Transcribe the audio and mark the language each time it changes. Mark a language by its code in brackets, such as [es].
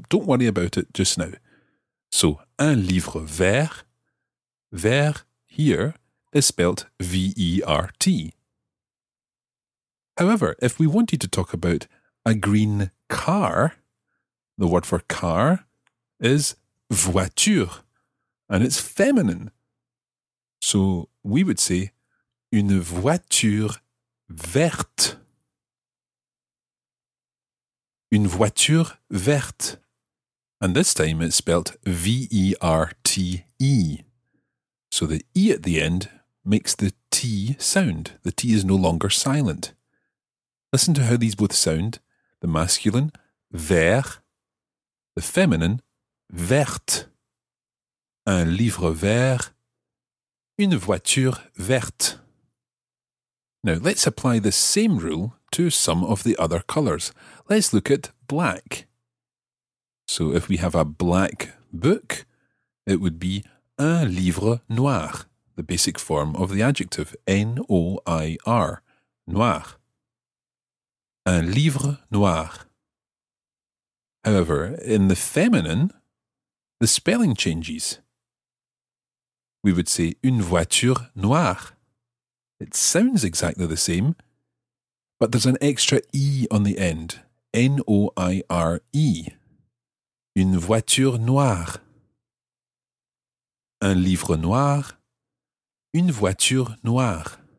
[en] Don't worry about it just now. So, [fr] un livre vert, [en] vert here is spelt V-E-R-T. However, if we wanted to talk about a green car, the word for car is voiture, and it's feminine. So we would say [fr] une voiture verte. Une voiture verte. [en] And this time it's spelt V-E-R-T-E. So the E at the end makes the T sound. The T is no longer silent. Listen to how these both sound. The masculine, vert. The feminine, verte. [fr] Un livre vert. Une voiture verte. [en] Now, let's apply the same rule to some of the other colours. Let's look at black. So, if we have a black book, it would be [fr] un livre noir, [en] the basic form of the adjective, N-O-I-R, noir. [fr] Un livre noir. [en] However, in the feminine, the spelling changes. We would say [fr] une voiture noire. [en] It sounds exactly the same, but there's an extra E on the end. [fr] N-O-I-R-E. Une voiture noire. Un livre noir. Une voiture noire.